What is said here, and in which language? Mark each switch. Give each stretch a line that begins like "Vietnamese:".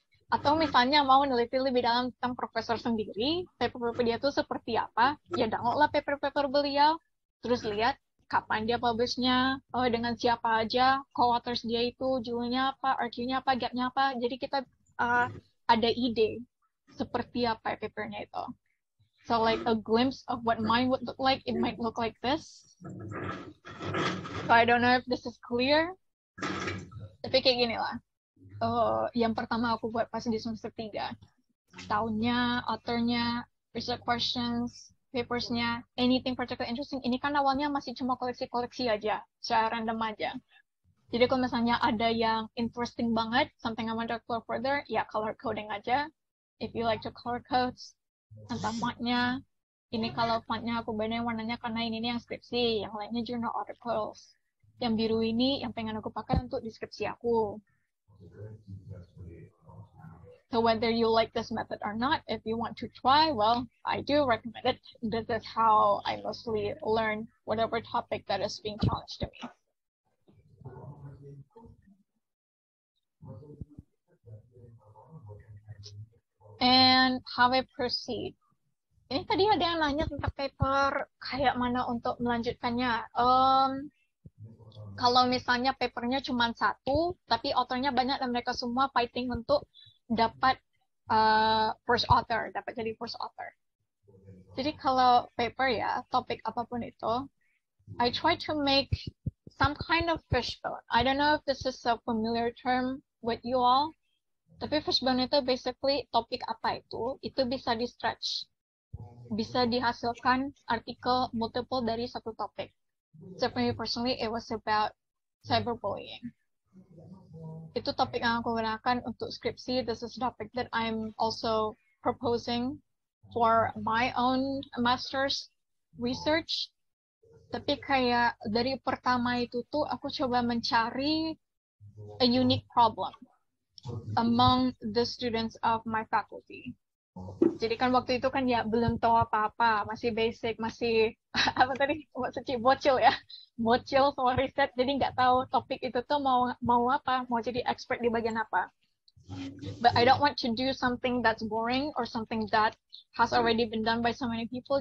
Indonesian: Atau misalnya mau neliti lebih dalam tentang profesor sendiri, paper-paper dia itu seperti apa, ya downloadlah paper-paper beliau, terus lihat kapan dia publish-nya, dengan siapa aja, co-authors dia itu, judulnya apa, RQ-nya apa, gap-nya apa. Jadi kita ada ide seperti apa paper-nya itu.
English: So like a glimpse of what mine would look like, it might look like this. So I don't know if this is clear.
Indonesian: Tapi kayak gini lah. Yang pertama aku buat pas di semester 3. Tahunnya, author-nya, research questions, papers-nya,
English: anything particularly interesting.
Indonesian: Ini kan awalnya masih cuma koleksi-koleksi aja. Secara random aja. Jadi kalau misalnya ada yang interesting banget,
English: something I want to explore further,
Indonesian: ya color coding aja.
English: If you like to color codes,
Indonesian: tentang font-nya. Ini kalau font-nya aku bedain warnanya karena ini yang skripsi, yang lainnya journal articles. Yang biru ini yang pengen aku pakai untuk deskripsi aku.
English: So whether you like this method or not, if you want to try, well, I do recommend it. This is how I mostly learn whatever topic that is being challenged to me. And how I proceed.
Indonesian: Ini tadi ada yang nanya tentang paper kayak mana untuk melanjutkannya. Kalau misalnya papernya cuma satu, tapi authornya banyak dan mereka semua fighting untuk dapat first author, dapat jadi first author. Jadi kalau paper ya, topik apapun itu,
English: I try to make some kind of fishbone. I don't know if this is a familiar term with you all,
Indonesian: tapi fishbone itu basically topik apa itu bisa di stretch. Bisa dihasilkan artikel multiple dari satu topik.
English: So for me personally, it was about cyberbullying.
Indonesian: Itu topik yang aku gunakan untuk skripsi.
English: This is a topic that I'm also proposing for my own master's research.
Indonesian: Tapi kayak dari pertama itu tuh aku coba mencari
English: a unique problem among the students of my faculty.
Indonesian: Jadi kan waktu itu kan ya belum tahu apa-apa, masih basic, masih apa tadi, bocil sama riset, jadi nggak tahu topik itu tuh mau apa, mau jadi expert di bagian apa.
English: But I don't want to do something that's boring or something that has already been done by so many people.